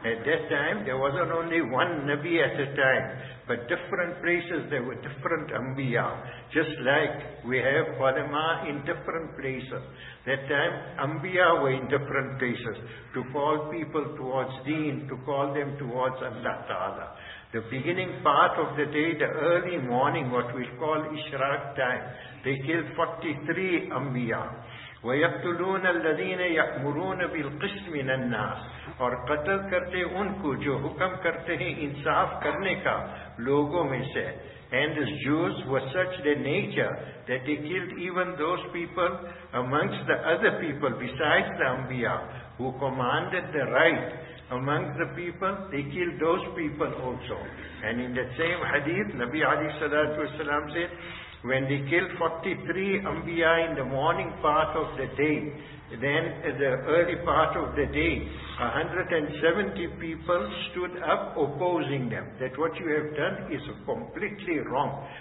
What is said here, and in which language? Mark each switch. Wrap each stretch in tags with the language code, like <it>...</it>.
<en>At that time, there wasn't only one Nabi at a time, but different places there were different Anbiya, just like we have Fatima in different places. That time, Anbiya were in different places to call people towards Deen, to call them towards Allah Ta'ala. The beginning part of the day, the early morning, what we call Ishraq time, they killed 43 Anbiya.</en> <ar>وَيَقْتُلُونَ الَّذِينَ يَأْمُرُونَ بِالْقِسْطِ مِنَ النَّاسِ</ar> <ur>اور قتل کرتے ان کو جو حکم کرتے ہیں انصاف کرنے کا لوگوں میں سے.</ur> <en>And the Jews were such their nature that they killed even those people amongst the other people besides the Anbiya who commanded the right amongst the people, they killed those people also. And in that same hadith, Nabi Ali Sallallahu Alaihi Wasallam said, when they killed 43 Anbiya in the morning part of the day, then the early part of the day, 170 people stood up opposing them, that what you have done is completely wrong.</en>